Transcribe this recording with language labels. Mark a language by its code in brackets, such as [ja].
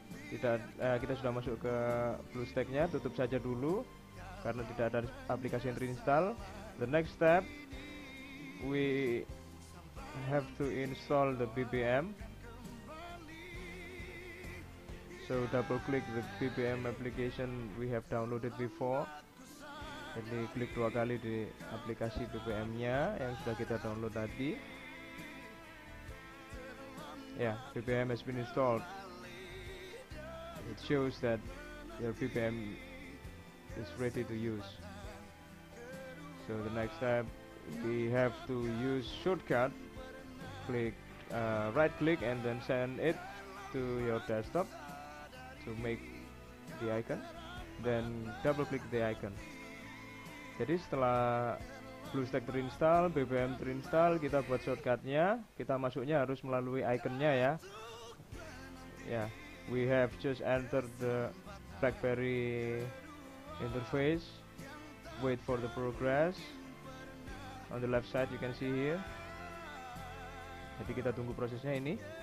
[id] Kita sudah masuk ke BlueStack-nya. Tutup saja dulu, karena tidak ada aplikasi yang terinstall. [en] The next step, we have to install the BBM. So double click the BBM application we have downloaded before. [id] Jadi klik dua kali di aplikasi BBM-nya yang sudah kita download tadi. [en] Yeah, BBM has been installed. It shows that your BBM is ready to use. So the next step, we have to use shortcut. Click right click and then send it to your desktop to make the icon. Then double click the icon. [id] Jadi setelah BlueStack terinstall, BBM terinstall, kita buat shortcutnya. Kita masuknya harus melalui iconnya ya. [en] Yeah, we have just entered the BlackBerry interface. Wait for the progress. On the left side you can see here. [id] Jadi kita tunggu prosesnya ini.